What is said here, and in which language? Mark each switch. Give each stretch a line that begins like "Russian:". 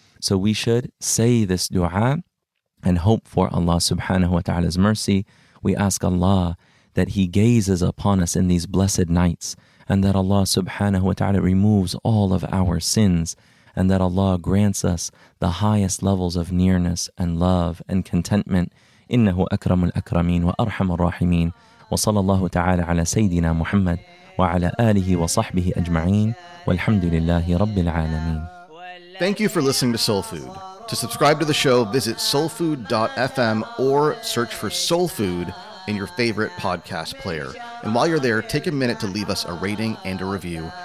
English: So we should say this dua and hope for Allah subhanahu wa ta'ala's mercy. We ask Allah that He gazes upon us in these blessed nights, and that Allah subhanahu wa ta'ala removes all of our sins, and that Allah grants us the highest levels of nearness and love and contentment.
Arabic: Innahu akramul akramin wa arhamur rahimin. وصلى الله تعالى على سيدنا محمد وعلى آله وصحبه أجمعين والحمد لله رب العالمين.
English: Thank you for listening to Soul Food. To subscribe to the show, visit soulfood.fm or search for Soul Food in your favorite podcast player. And while you're there, take a minute to leave us a rating and a review.